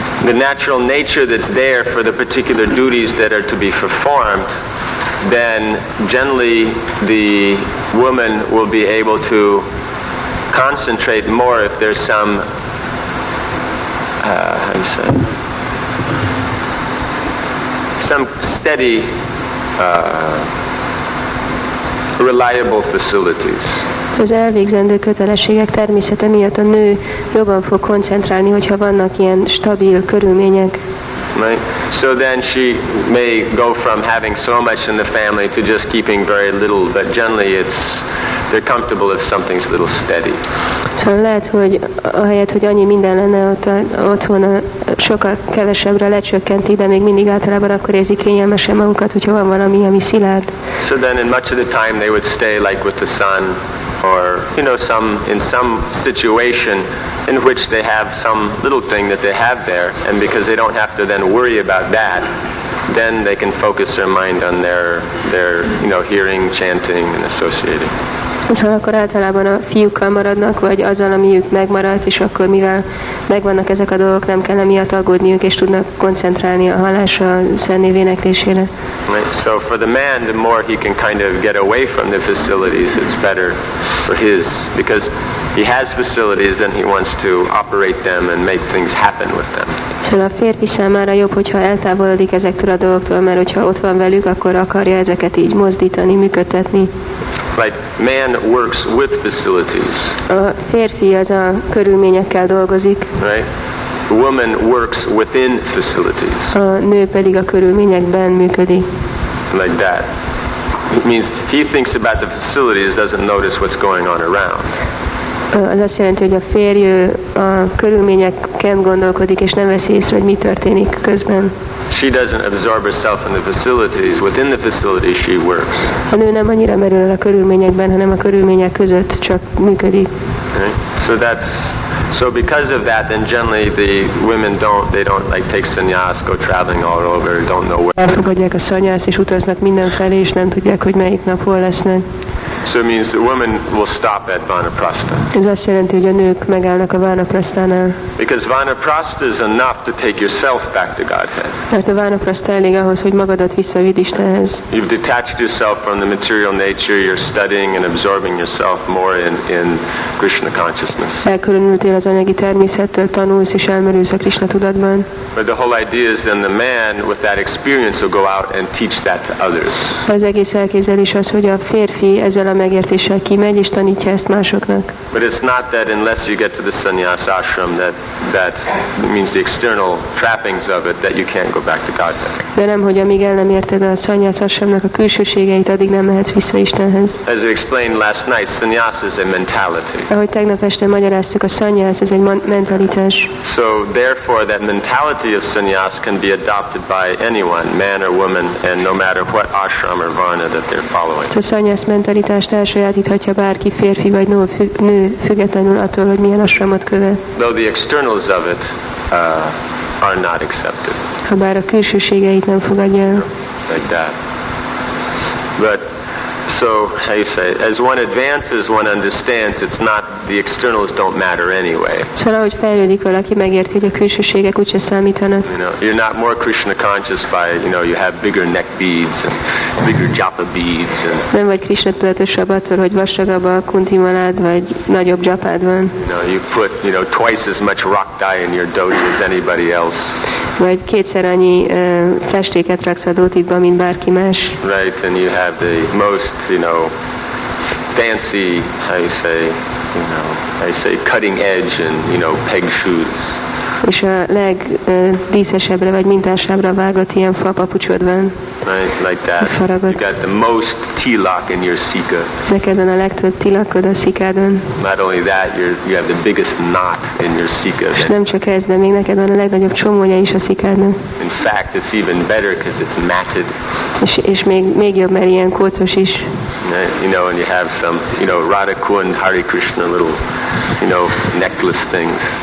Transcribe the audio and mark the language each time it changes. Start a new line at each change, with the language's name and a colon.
English: the natural nature that's there for the particular duties that are to be performed, then generally the woman will be able to concentrate more if there's some how you say some steady reliable facilities.
Hungarian: Az elvégzendő kötelességek természete miatt a nő jobban fog koncentrálni, hogyha vannak ilyen stabil körülmények.
English: Right. So then she may go from having so much in the family to just keeping very little, but generally it's they're comfortable if something's a little steady.
Hungarian: So lehet, hogy ahelyett, hogy annyi minden lenne otthon, sokat kevesebbre lecsökkenti, de még mindig általában akkor érzi kényelmesen magukat, hogyha van valami, ami szilárd.
English: So then in much of the time they would stay like with the son or, you know, some in some situation in which they have some little thing that they have there, and because they don't have to then worry about that, then they can focus their mind on their you know, hearing, chanting and associating.
Hungarian: Szóval akkor általában a fiúkkal maradnak, vagy azzal, amiük megmaradt, és akkor mivel megvannak ezek a dolgok, nem kell emiatt aggódniuk, és tudnak koncentrálni a hallásra, a szennév éneklésére.
English: Right. So for the man, the more he can kind of get away from the facilities, it's better for his, because he has facilities and he wants to operate them and make things happen with them.
Hungarian: Szóval a férfi számára jobb, hogyha eltávolodik ezektől a dolgoktól, mert hogyha ott van velük, akkor akarja ezeket így mozdítani, működtetni.
English: Like man works with facilities.
Hungarian: A férfi az a körülményekkel dolgozik.
English: Right. The woman works within facilities.
Hungarian: A nő pedig a körülményekben működik.
English: Like that. It means he thinks about the facilities, doesn't notice what's going on around.
Hungarian: Az azt jelenti, hogy a férj a körülményeken gondolkodik, és nem veszi észre, hogy mi történik közben.
English: She doesn't absorb herself in the facilities. Within the facilities, she works.
Hungarian: A nő nem annyira merül el a körülményekben, hanem a körülmények között csak működik.
English: Okay. So because of that, then generally the women don't like take sannyas, go traveling all over, don't know where.
Hungarian: Elfogadják a sannyaszt, és utaznak mindenfelé, és nem tudják, hogy melyik nap hol lesznek.
English: So it means the woman will stop at Vanaprastha.
Hungarian: Ez azt jelenti, hogy a nők megállnak a Vanaprasthánál.
English: Because Vanaprastha is enough to take yourself back to Godhead.
Hungarian: Mert a Vanaprastha elég ahhoz, hogy magadat visszavidd Istenhez.
English: You've detached yourself from the material nature, you're studying and absorbing yourself more in Krishna consciousness.
Hungarian: Elkülönültél az anyagi természettől, tanulsz és elmerülsz a Krishna tudatban.
English: But the whole idea is then the man with that experience will go out and teach that to others.
Hungarian: Az egész elképzelés az, hogy a férfi ezzel a megértéssel kimegy és tanítja ezt másoknak.
English: But it's not that unless you get to the sannyas ashram that means the external trappings of it that you can't go back to Godhead.
Hungarian: De nem, hogy amíg el nem érted a sannyas ashramnak a külsőségeit, addig nem mehetsz vissza Istenhez.
English: As we explained last night, sannyas is a mentality.
Hungarian: Ahogy tegnap este magyaráztuk, a sannyas ez egy mentalitás.
English: So therefore that mentality of sannyas can be adopted by anyone, man or woman, and no matter what ashram or varna that they're following.
Hungarian: A sannyas mentalitást elsajátíthatja bárki, férfi vagy nő, függetlenül attól, hogy milyen ashramot követ.
English: Though the externals of it are not accepted.
Hungarian: Habár a külsőségeit nem fogadja el.
English: Like that. But so how you say, as one advances, one understands it's not the externals don't matter anyway.
Hungarian: Szóval, ahogy fejlődik valaki, megérti, hogy a külsőségek úgyse számítanak.
English: You know, you're not more Krishna conscious by, you know, you have bigger neck beads and bigger japa beads. And,
Hungarian: nem vagy Krishna tudatosabb attól, hogy vastagabb a kunti malád, vagy nagyobb japád van.
English: You know, you put, you know, twice as much rock dye in your dhoti as anybody else.
Hungarian: Vagy kétszer annyi festéket raksz a dhotitba, mint bárki más.
English: Right, and you have the most, you know, fancy, how you say, you know, I say cutting edge and, you know, peg shoes.
Hungarian: és a legdíszesebbre vagy mintásabbra vágott ilyen fa papucsod van. Faragott.
English: You got the most tilak in your sika.
Hungarian: Neked van a legtöbb tilakod a szikádon.
English: Not only that, you have the biggest knot in your sika.
Hungarian: És nem csak ez, de még neked van a legnagyobb csomója is a szikádon.
English: In fact, it's even better because it's matted.
Hungarian: És még jobb, mert ilyen kócos is.
English: You know, and you have some, you know, Radha Kund, Hare Krishna little, you know, necklace things.